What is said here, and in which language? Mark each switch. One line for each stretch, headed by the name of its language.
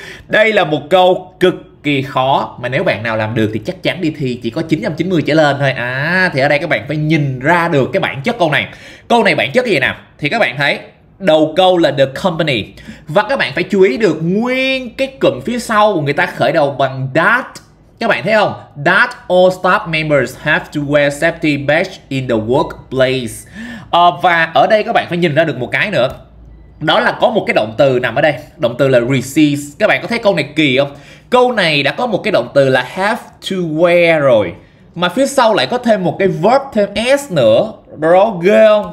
Vietnamese: Đây là một câu cực kỳ khó mà nếu bạn nào làm được thì chắc chắn đi thi chỉ có 990 trở lên thôi. Thì ở đây các bạn phải nhìn ra được cái bản chất câu này. Câu này bản chất cái gì nè? Thì các bạn thấy đầu câu là the company. Và các bạn phải chú ý được nguyên cái cụm phía sau người ta khởi đầu bằng that. Các bạn thấy không?
English: That all staff members have to wear safety badge in the workplace.
Vietnamese: Và ở đây các bạn phải nhìn ra được một cái nữa. Đó là có một cái động từ nằm ở đây. Động từ là receive. Các bạn có thấy câu này kỳ không? Câu này đã có một cái động từ là
English: have to wear
Vietnamese: rồi. mà phía sau lại có thêm một cái verb thêm s nữa, đó ghê không?